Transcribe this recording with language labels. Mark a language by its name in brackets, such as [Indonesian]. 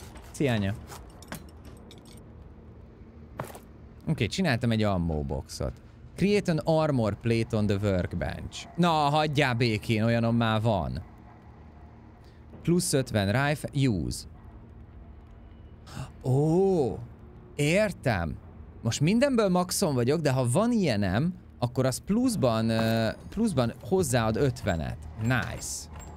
[Hungarian] Szia, anya. Oké, csináltam egy ammo boxot. [English] Create an armor plate on the workbench. [Hungarian] Na, hagyjál békén, olyanom már van. Plusz 50 [English] rifle, use. [Hungarian] Ó, értem. Most mindenből maxon vagyok, de ha van ilyenem, akkor az pluszban hozzáad 50-et. [English] Nice.